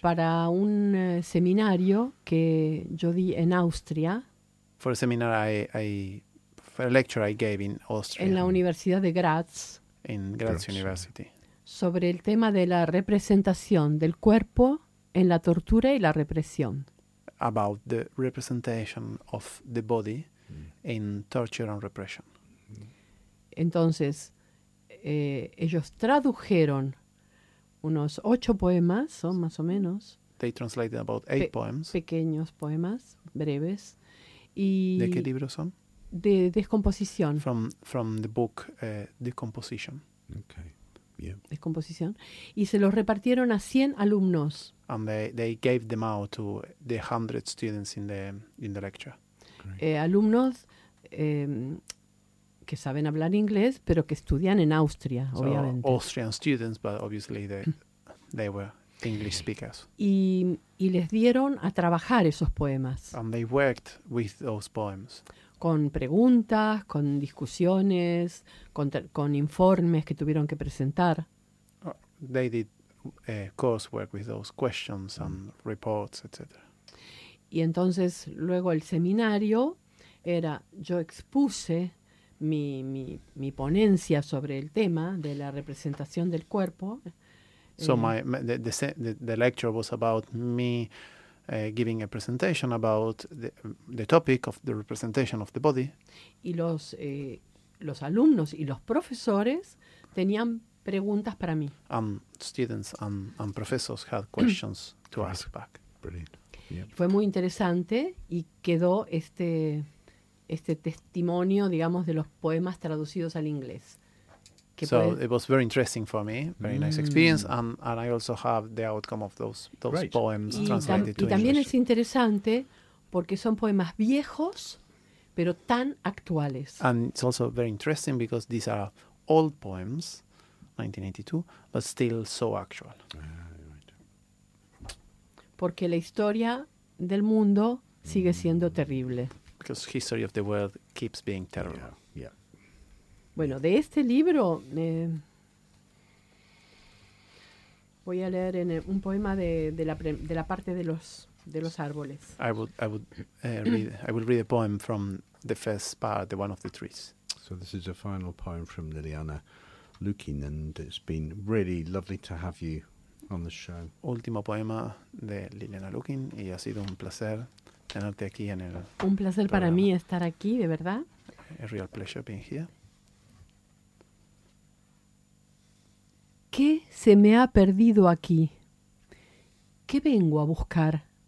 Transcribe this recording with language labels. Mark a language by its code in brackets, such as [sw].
[es] Para un seminario que yo di en Austria. [en] For a seminar for a lecture I gave in Austria. [es] En la Universidad de Graz. [en] In Graz University. [es] Sobre el tema de la representación del cuerpo en la tortura y la represión. [en] About the representation of the body in torture and repression. [es] Entonces, ellos tradujeron unos 8 poemas, son más o menos. [en] They translated about 8 poems. [es] Pequeños poemas, breves. Y ¿de qué libro son? De Descomposición. [en] From the book Decomposition. Okay. Yeah. [es] Descomposición. Y se los repartieron a 100 alumnos. [en] And they gave them out to the 100 students in the lecture. [es] Alumnos que saben hablar inglés, pero que estudian en Austria, [en] so [es] obviamente. [en] Austrian students, but obviously they were English speakers. [es] Y les dieron a trabajar esos poemas. [en] And they worked with those poems. [es] Con preguntas, con discusiones, con informes que tuvieron que presentar. [en] They did coursework with those questions and reports, etc. [es] Y entonces luego el seminario era, yo expuse mi ponencia sobre el tema de la representación del cuerpo. [en] So the lecture was about me giving a presentation about the topic of the representation of the body. [es] Y los alumnos y los profesores tenían preguntas para mí. [en] Students and professors had questions to ask back. Brilliant. Yep. [es] Fue muy interesante y quedó este testimonio, digamos, de los poemas traducidos al inglés. [en] It was very interesting for me, very nice experience, and I also have the outcome of those right. poems translated to English. [es] Y también es interesante porque son poemas viejos, pero tan actuales. [en] And it's also very interesting because these are old poems, 1982, but still so actual. [es] Porque la historia del mundo sigue siendo terrible. [en] Because history of the world keeps being terrible. Yeah. Yeah. [es] Bueno, de este libro voy a leer en un poema de la parte de los árboles. [en] I will read a poem from the first part, the one of the trees. So this is a final poem from Liliana Lukin, and it's been really lovely to have you on the show. [es] Último poema de Liliana Lukin, y ha sido un placer tenerte aquí en el. Un placer para mí estar aquí, de verdad. [en] A real pleasure being here. [es] ¿Qué se me ha perdido aquí? ¿Qué vengo a buscar?